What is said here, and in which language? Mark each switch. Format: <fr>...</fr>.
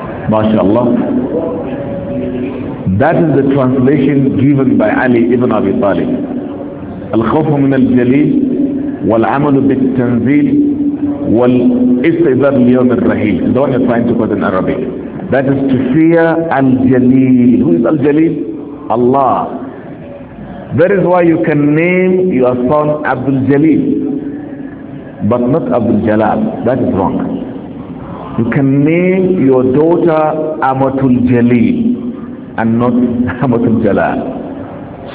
<en>MashaAllah. That is the translation given by Ali ibn Abi Talib.</en> <ar>الخوف من الجليل والعمل بالتنزيل والاستئذار اليوم الرحيل.</ar> <en>The one you're trying to put in Arabic. That is to fear al-jaleel. Who is al-jaleel? Allah. That is why you can name your son Abdul Jalil, but not Abdul Jalal. That is wrong. You can name your daughter Amatul Jalil and not Amatul Jalal.</en>